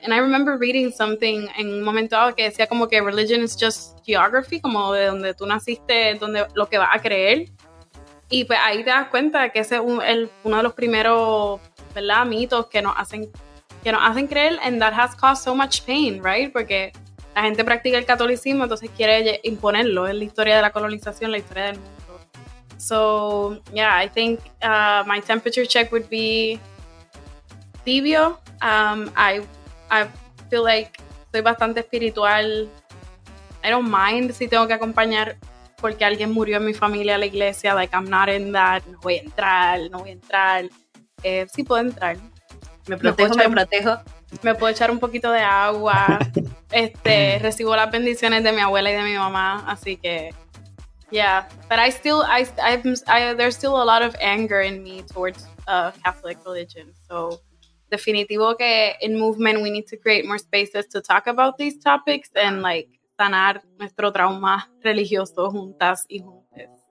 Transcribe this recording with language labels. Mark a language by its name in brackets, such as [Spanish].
[English] And I remember reading something [Spanish] en un momento dado que decía como que [English] religion is just geography, [Spanish] como de donde tú naciste, donde lo que vas a creer. Y pues ahí te das cuenta que ese es uno de los primeros, ¿verdad?, mitos que nos hacen creer, [English] and that has caused so much pain, right? [Spanish] Porque la gente practica el catolicismo, entonces quiere imponerlo. Es la historia de la colonización, la historia del mundo. [English] So, yeah, I think my temperature check would be tibio. I feel like [Spanish] soy bastante espiritual. [English] I don't mind [Spanish] si tengo que acompañar porque alguien murió en mi familia a la iglesia, [English] like, I'm not in that, [Spanish] no voy a entrar, sí puedo entrar. Me protejo. Me puedo echar un poquito de agua, recibo las bendiciones de mi abuela y de mi mamá, así que, yeah. [English] But I there's still a lot of anger in me towards Catholic religion, so [Spanish] definitivo que [English] in movement we need to create more spaces to talk about these topics and, like, [Spanish] sanar nuestro trauma religioso juntas y juntes.